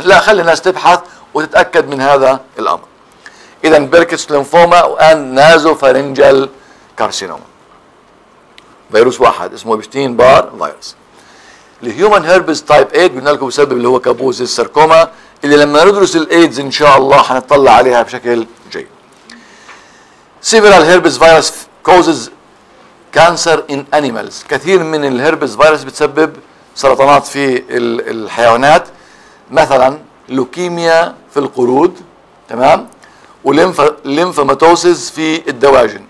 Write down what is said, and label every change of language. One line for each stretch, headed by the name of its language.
Arabic: لا، خلي الناس تبحث وتتأكد من هذا الأمر. إذا بيركتس لينفوما وأن نازو فارنجل كارسينوما، فيروس واحد اسمه إبشتين بار فيروس. الهيومن هيربز تايب 8 قلنا لكم بسبب اللي هو كابوز الساركوما، اللي لما ندرس الإيدز إن شاء الله حنطلع عليها بشكل جيد.
English: Several herpes virus causes cancer in animals.
Arabic: كثير من الهربس فيروس بتسبب سرطانات في الحيوانات، مثلا لوكيميا في القرود، تمام، وليمفوماتوسيس في الدواجن.